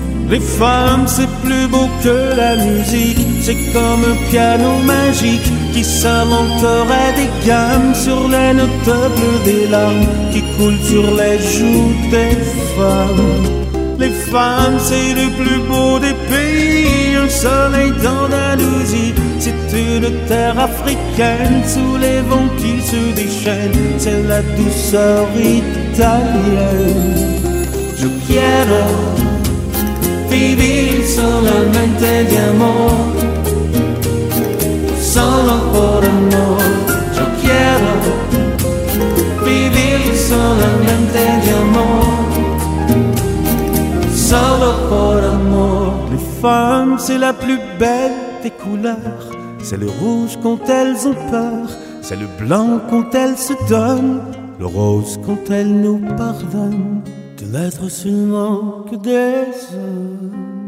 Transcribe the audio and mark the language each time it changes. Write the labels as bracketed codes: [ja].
[fr] Les femmes, c'est plus beau que la musique, c'est comme un piano magique qui s'inventerait des gammes sur les notes bleues des larmes qui coulent sur les joues des femmes. Les femmes, c'est le plus beau des pays, un soleil d'Andalousie. C'est une terre africaine sous les vents qui se déchaînent, c'est la douceur italienne. [es] Je quiero vivir solamente de amor, solo por amor. Yo quiero vivir solamente de amor, solo por amor. [fr] Les femmes, c'est la plus belle des couleurs, c'est le rouge quand elles ont peur, c'est le blanc quand elles se donnent, le rose quand elles nous pardonnent de n'être seulement que des hommes.